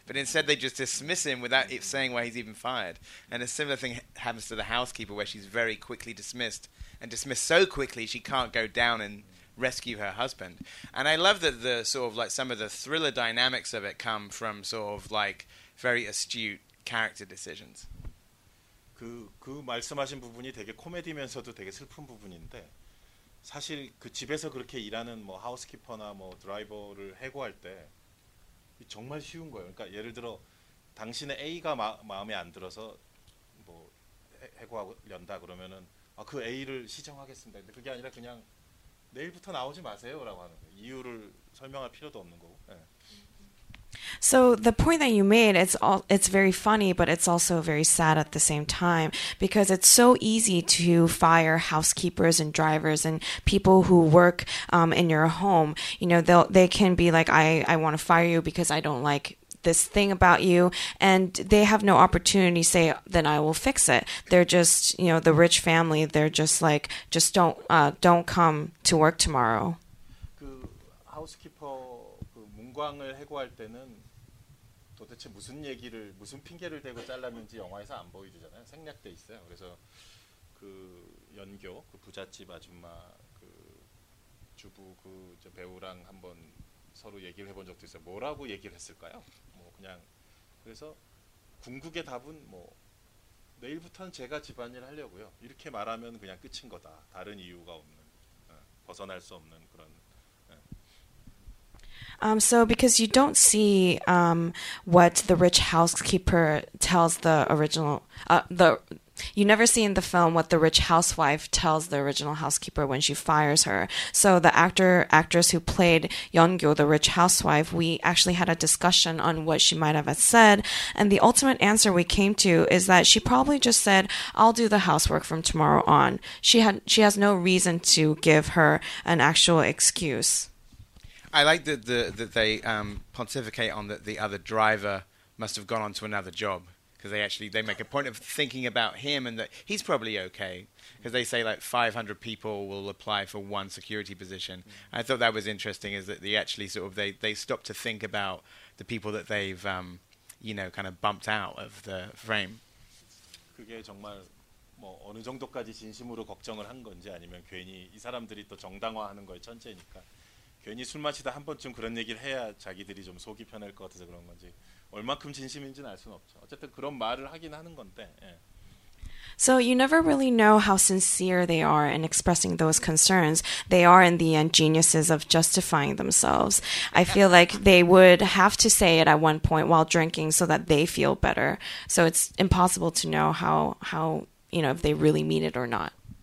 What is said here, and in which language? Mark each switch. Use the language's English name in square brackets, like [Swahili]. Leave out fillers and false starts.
[English] But instead, they just dismiss him without it saying why he's even fired. And a similar thing happens to the housekeeper, where she's very quickly dismissed. And dismissed so quickly, she can't go down and rescue her husband. And I love that the sort of like some of the thriller dynamics of it come from sort of like very astute character decisions. [Korean] 그 말씀하신 부분이 되게 코미디면서도 되게 슬픈 부분인데 사실 그 집에서 그렇게 일하는 뭐 하우스키퍼나 뭐 드라이버를 해고할 때 정말 쉬운 거예요. 그러니까 예를 들어 당신의 A가 마음에 안 들어서 뭐 해고하려다 그러면은 아 그 A를 시정하겠습니다. 근데 그게 아니라 그냥 내일부터 나오지 마세요라고 하는 거예요. 이유를 설명할 필요도 없는 거고. 네. [English] So the point that you made, it's very funny, but it's also very sad at the same time, because it's so easy to fire housekeepers and drivers and people who work in your home. You know, they can be like, I want to fire you because I don't like this thing about you, and they have no opportunity to say, then I will fix it. They're just, you know, the rich family, they're just like, just don't come to work tomorrow. [Korean] 그 housekeeper 문광을 해고할 때는 도대체 무슨 얘기를 무슨 핑계를 대고 잘랐는지 영화에서 안 보여주잖아요. 생략돼 있어요. 그래서 그 연교 그 부잣집 아줌마 그 주부 그 저 배우랑 한번 서로 얘기를 해본 적도 있어요. 뭐라고 얘기를 했을까요? 뭐 그냥 그래서 궁극의 답은 뭐 내일부터는 제가 집안일 하려고요. 이렇게 말하면 그냥 끝인 거다. 다른 이유가 없는 벗어날 수 없는 그런. [English] So because you don't see what the rich housekeeper tells the original, you never see in the film what the rich housewife tells the original housekeeper when she fires her. So the actress who played Yeon-gyo, the rich housewife, we actually had a discussion on what she might have said. And the ultimate answer we came to is that she probably just said, I'll do the housework from tomorrow on. She has no reason to give her an actual excuse. I like that they pontificate on that the other driver must have gone on to another job, because they make a point of thinking about him and that he's probably okay, because they say like 500 people will apply for one security position. Mm-hmm. I thought that was interesting, is that they stop to think about the people that they've you know, kind of bumped out of the frame. [Korean] 그게 정말 뭐 어느 정도까지 진심으로 걱정을 한 건지 아니면 괜히 이 사람들이 또 정당화하는 거에 천재니까 괜히 술 마시다 한 번쯤 그런 얘기를 해야 자기들이 좀 속이 편할 것 같아서 그런 건지 얼마큼 진심인지는 알 수는 없죠. 어쨌든 그런 말을 하긴 하는 건데. 예. [English] So you never really know how sincere they are in expressing those concerns. They are in the end geniuses of justifying themselves. I feel like they would have to say it at one point while drinking so that they feel better. So it's impossible to know how you know, if they really mean it or not.